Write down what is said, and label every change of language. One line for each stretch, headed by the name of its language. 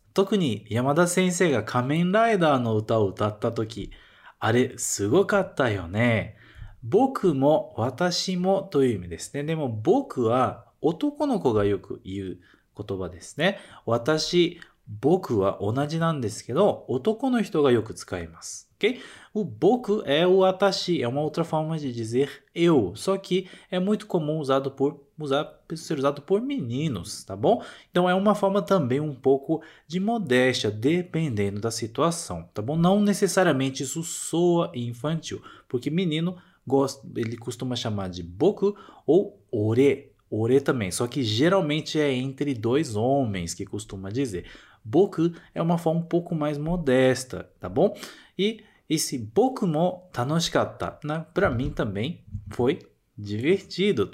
Japanese: 特に山田先生が仮面ライダーの歌を歌ったとき、あれすごかったよね。僕も私もという意味ですね。でも僕は男の子がよく言う言葉ですね。私、僕は同じなんですけど、男の人がよく使います。
Portuguese: O 僕 é o 私, é uma outra forma de dizer eu, só que é muito comum ser usado por meninos, tá bom? Então é uma forma também um pouco de modéstia, dependendo da situação, tá bom? Não necessariamente isso soa infantil, porque menino gosta, ele costuma chamar de 僕 ou 俺 também, só que geralmente é entre dois homens que costuma dizer. 僕 é uma forma um pouco mais modesta, tá bom? E esse
Japanese: 僕も楽しかった,
Portuguese: né? Pra mim também foi divertido.